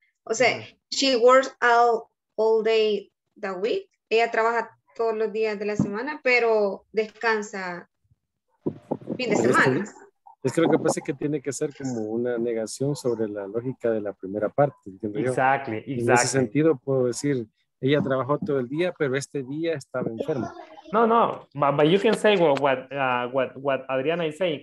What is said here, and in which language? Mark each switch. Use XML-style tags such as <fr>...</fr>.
<es>O sea,</es> <en>she works all day the week.</en> <es>Ella trabaja todos los días de la semana, pero descansa fin de semana. Es que lo que pasa es que tiene que ser como una negación sobre la lógica de la primera parte. ¿Entiendo yo?</es> <en>Exactly.</en> <es>En ese sentido puedo decir, ella trabajó todo el día, pero este día estaba enferma.</es> <en>No, but you can say what Adriana is saying.</en>